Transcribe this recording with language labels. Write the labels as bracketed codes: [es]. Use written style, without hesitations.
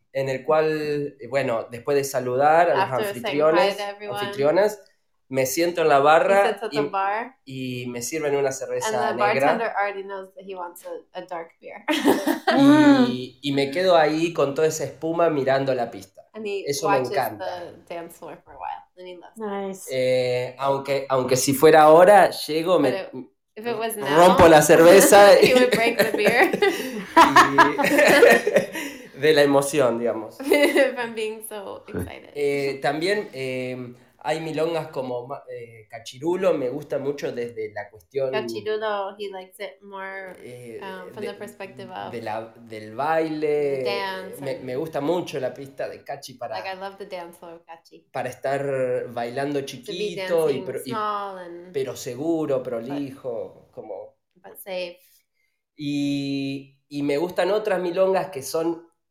[es] En el cual, bueno, después de saludar a los anfitriones, anfitrionas, me siento en la barra y me sirven una cerveza negra. [en] And the bartender already knows that he wants a dark beer. [es] Y me quedo ahí con toda esa espuma mirando la pista. [en] And he [es] eso me encanta. [en] The dance floor for a while. And he loves nice. [es] Aunque si fuera ahora, llego, me... [en] If it was now, [es] rompo la cerveza. [en] He would break the beer. [es] De la emoción, digamos. [en] If I'm being so excited. [es] También hay milongas como Cachirulo, me gusta mucho desde la cuestión... [en] Cachirulo, he likes it more from the perspective of... [es] Del baile. [en] The dance. [es] Me gusta mucho la pista de Cachi para... [en] Like, I love the dance floor of Cachi. [es] Para estar bailando chiquito y... [en] Small and... [es] Pero seguro, prolijo, como... [en] But safe. [es] Y me gustan otras milongas que son...